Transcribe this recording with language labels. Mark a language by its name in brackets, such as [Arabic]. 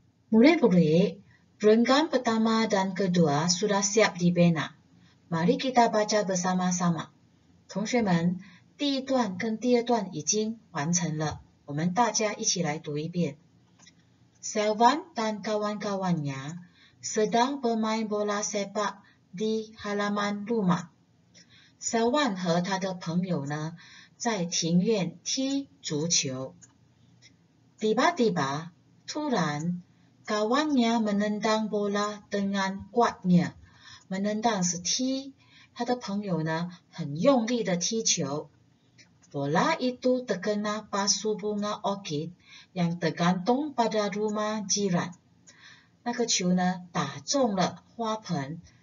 [Malay] Mulai berik, berenggan pertama dan kedua sudah siap dibina. Mari kita baca bersama-sama. [Chinese] 同学们, 第一段跟第二段已经完成了，我们大家一起来读一遍。 [Malay] Selvan dan kawan-kawannya sedang bermain bola sepak di halaman rumah. [Chinese] Selvan 和他的朋友呢在庭院踢足球。 [Malay] Tiba-tiba, [Chinese] 突然, [Malay] kawannya menendang bola dengan kuatnya. [Chinese] Menendang 是踢, 他的朋友呢很用力的踢球。 [Malay] Bola itu terkena pasu bunga orkid yang tergantung pada rumah jiran. [Chinese] 那个球呢打中了花盆.